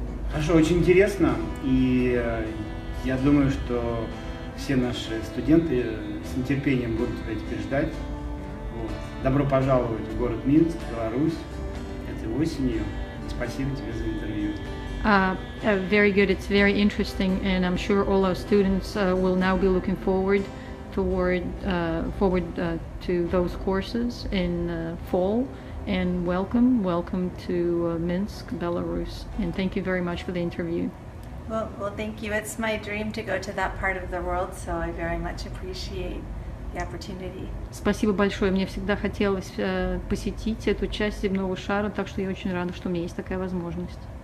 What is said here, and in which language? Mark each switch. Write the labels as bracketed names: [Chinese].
[Russian] Хорошо, очень интересно, и я думаю, что все наши студенты с нетерпением будут тебя теперь ждать. Вот. Добро пожаловать в город Минск, Беларусь, этой осенью. Спасибо тебе за интервью. [English] Very good. It's very interesting, and I'm sure all our students will now be looking forward to those courses in fall. And welcome to Minsk, Belarus. And thank you very much for the interview. Well, thank you. It's my dream to go to that part of the world, so I very much appreciate the opportunity. [Russian] Спасибо большое. Мне всегда хотелось посетить эту часть земного шара, так что я очень рада, что у меня есть такая возможность.